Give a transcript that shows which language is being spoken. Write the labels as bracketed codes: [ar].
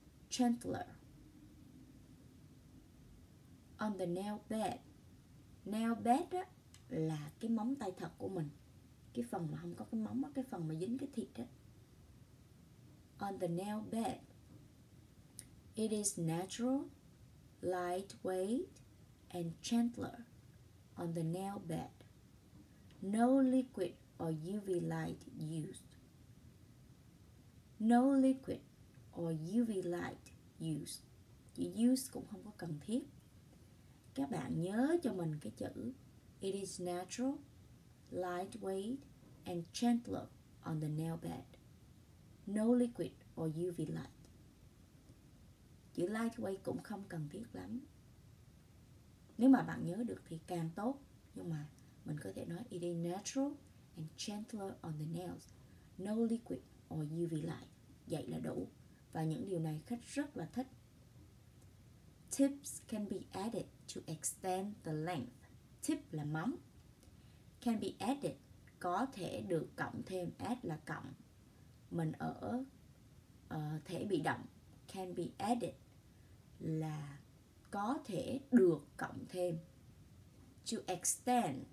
[en] Gentler. On the nail bed. [vi] Nail bed á là cái móng tay thật của mình, cái phần mà không có cái móng á, cái phần mà dính cái thịt á. [en] On the nail bed. It is natural, lightweight and gentler on the nail bed. No liquid or UV light used. No liquid or UV light used. [vi] Chỉ use cũng không có cần thiết. Các bạn nhớ cho mình cái chữ [en] it is natural, lightweight and gentler on the nail bed. No liquid or UV light. [vi] Chữ lightweight cũng không cần thiết lắm. Nếu mà bạn nhớ được thì càng tốt. Nhưng mà mình có thể nói [en] it is natural and gentler on the nails. No liquid or UV light. [vi] Vậy là đủ. Và những điều này khách rất là thích. [en] Tips can be added to extend the length. [vi] Tip là móng. [en] Can be added, [vi] có thể được cộng thêm. Add là cộng. Mình ở thể bị động. [en] Can be added [vi] là có thể được cộng thêm. [en] To extend.